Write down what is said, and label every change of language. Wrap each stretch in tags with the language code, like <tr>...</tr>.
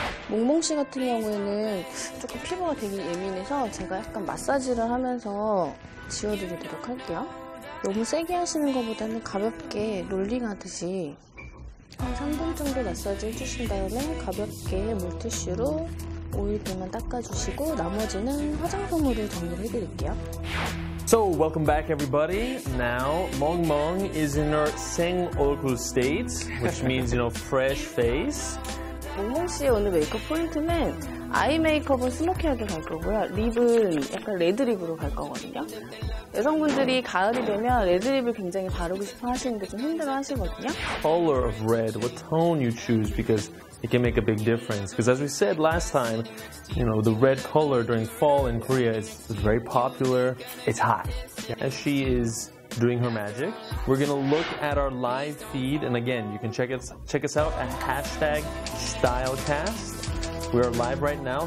<ko>몽몽 씨 같은 경우에는 조금 피부가 되게 예민해서 제가 약간 마사지를 하면서 지워드리도록 할게요. 너무 세게 하시는 것보다는 가볍게 롤링하듯이 한 3분 정도 마사지 해주신 다음에 가볍게 물티슈로 오일들만 닦아주시고 나머지는 화장품으로 정리를 해드릴게요.</ko> <en>So welcome back everybody. Now Mong Mong is in her Sengokul state, which means, you know, fresh face.</en> <ko>정홍 씨의 오늘 메이크업 포인트는 아이 메이크업은 스모키하게 갈 거고요. 립은 약간 레드립으로 갈 거거든요. 여성분들이 가을이 되면 레드립을 굉장히 바르고 싶어 하시는 게 좀 힘들어 하시거든요.</ko> <en>Color of red, what tone you choose because it can make a big difference. Because as we said last time, you know, the red color during fall in Korea is very popular. It's hot. As she is doing her magic, we're going to look at our live feed. And again, you can check us out at hashtag stylecast. We are live right now.</en>